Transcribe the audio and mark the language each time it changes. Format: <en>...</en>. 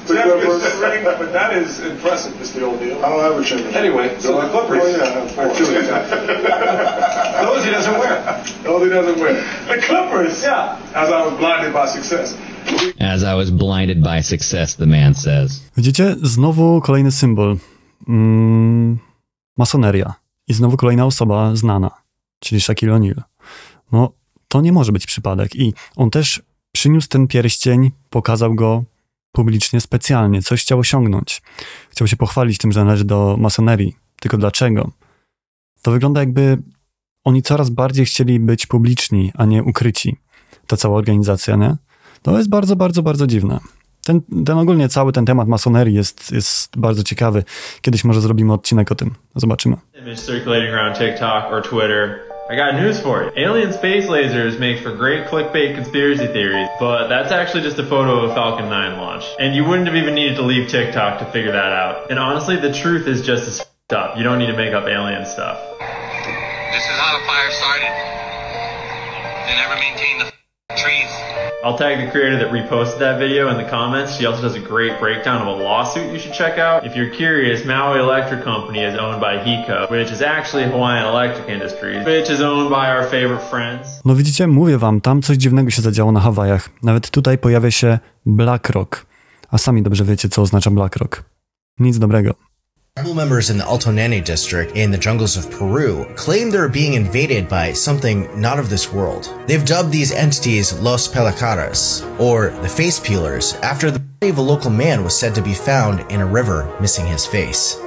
<en>But that is impressive, Mr. O'Neill. I don't have a chimney. Anyway, so the Clippers. Oh, yeah, of course. Those he doesn't wear. The Clippers! Yeah. As I was blinded by success. As I was blinded by success, the man says.</en> <pl>Widzicie? Znowu kolejny symbol. Masoneria. I znowu kolejna osoba znana, czyli Shaquille O'Neal. No, to nie może być przypadek. I on też przyniósł ten pierścień, pokazał go publicznie, specjalnie. Coś chciał osiągnąć. Chciał się pochwalić tym, że należy do masonerii. Tylko dlaczego? To wygląda, jakby oni coraz bardziej chcieli być publiczni, a nie ukryci. Ta cała organizacja, nie? To jest bardzo, bardzo, bardzo dziwne. Ten ogólnie cały ten temat masonerii jest bardzo ciekawy. Kiedyś może zrobimy odcinek o tym. Zobaczymy.</pl> <en>Image circulating around TikTok or Twitter. I got news for you. Alien space lasers make for great clickbait conspiracy theories, but that's actually just a photo of a Falcon 9 launch. And you wouldn't have even needed to leave TikTok to figure that out. And honestly, the truth is just as f***ed up. You don't need to make up alien stuff. This is how a fire started. They never maintained the f***ing trees. I'll tag the creator that reposted that video in the comments. She also does a great breakdown of a lawsuit you should check out. If you're curious, Maui Electric Company is owned by HECO, which is actually Hawaiian Electric Industries, which is owned by our favorite friends.</en> <pl>No widzicie, mówię wam, tam coś dziwnego się zadziało na Hawajach. Nawet tutaj pojawia się BlackRock. A sami dobrze wiecie, co oznacza BlackRock. Nic dobrego.</pl> <en>Tribal members in the Alto Nene district in the jungles of Peru claim they're being invaded by something not of this world. They've dubbed these entities Los Pelacaras, or the face peelers, after the body of a local man was said to be found in a river missing his face.</en>